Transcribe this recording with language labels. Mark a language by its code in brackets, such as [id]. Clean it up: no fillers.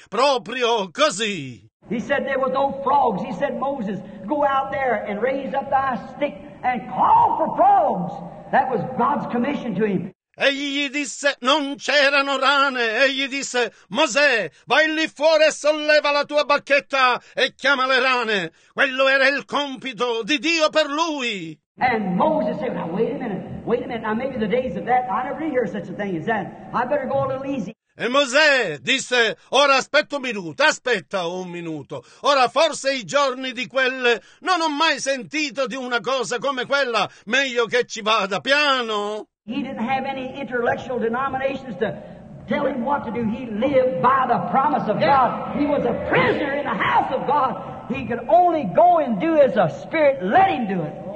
[it] Proprio così. [en] He said there were no frogs. He said, Moses, go out there and raise up thy stick and call for frogs. That was God's commission to him. [it] Egli disse, non c'erano rane. Egli disse, Mosè, vai lì fuori e solleva la tua bacchetta e chiama le rane. Quello era il compito di Dio per lui. [en] And Moses said, now wait a minute, now maybe the days of that, I never really hear such a thing as that. I better go a little easy. [it] E Mosè disse, ora aspetta un minuto, ora forse i giorni di quelle, non ho mai sentito di una cosa come quella, meglio che ci vada piano. [en] He didn't have any intellectual denominations to tell him what to do. He lived by the promise of God. He was a prisoner in the house of God. He could only go and do as the Spirit let him do it.